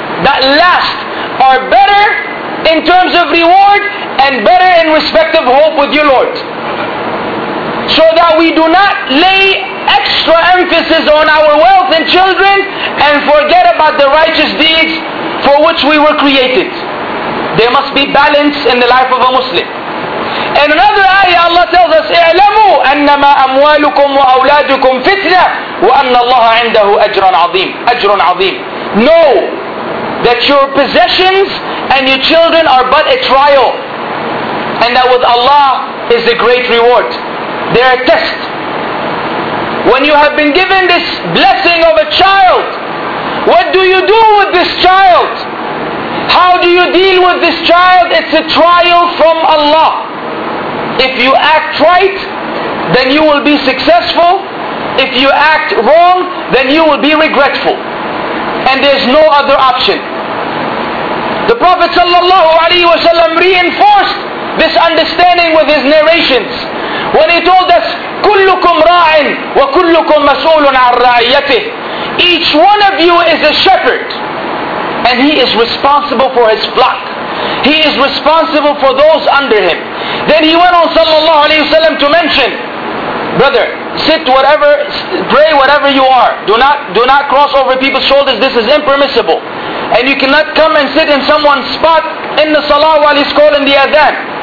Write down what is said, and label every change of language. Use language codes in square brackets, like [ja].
[en] That last are better in terms of reward and better in respect of hope with your Lord. So that we do not lay extra emphasis on our wealth and children and forget about the righteous deeds for which we were created. There must be balance in the life of a Muslim. In another ayah, Allah tells us, [ar] اعلموا أنما أموالكم وأولادكم فتنة وأن الله عنده أجر عظيم. أجر عظيم. [en] Know that your possessions and your children are but a trial, and that with Allah is a great reward. They're a test. When you have been given this blessing of a child, what do you do with this child? How do you deal with this child? It's a trial from Allah. If you act right, then you will be successful. If you act wrong, then you will be regretful. And there's no other option. The Prophet ﷺ reinforced this understanding with his narrations. When he told us, [ar] كُلُّكُمْ رَاعٍ وَكُلُّكُمْ مَسْؤُولٌ عَنْ رَاعِيَتِهِ. [en] Each one of you is a shepherd, and he is responsible for his flock. He is responsible for those under him. Then he went on sallallahu alayhi wa sallam to mention, brother, sit whatever, pray whatever you are. Do not cross over people's shoulders. This is impermissible. And you cannot come and sit in someone's spot in the salah while he's calling the adhan.